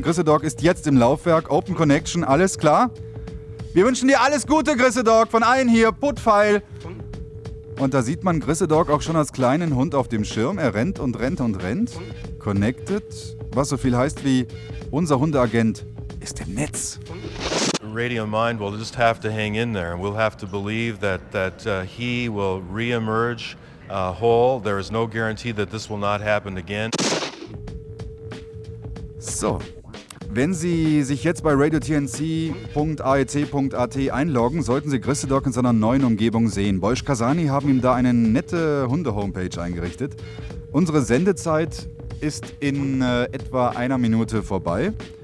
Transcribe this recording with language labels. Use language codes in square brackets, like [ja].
[de] Grisse Dog ist jetzt im Laufwerk, Open Connection, alles klar? Wir wünschen dir alles Gute, Grisse Dog, von allen hier, Puttfeil! Und da sieht man Grisse Dog auch schon als kleinen Hund auf dem Schirm. Er rennt und rennt und rennt. Connected, was so viel heißt wie unser Hundeagent ist im Netz. [en] Radio Mind will just have to hang in there. We'll have to believe that he will reemerge whole. There is no guarantee that this will not happen again. [de] So, wenn Sie sich jetzt bei radiotnc.aec.at einloggen, sollten Sie Grisse Dog in seiner neuen Umgebung sehen. Bojsch Kasani haben ihm da eine nette Hunde-Homepage eingerichtet. Unsere Sendezeit ist in etwa einer Minute vorbei.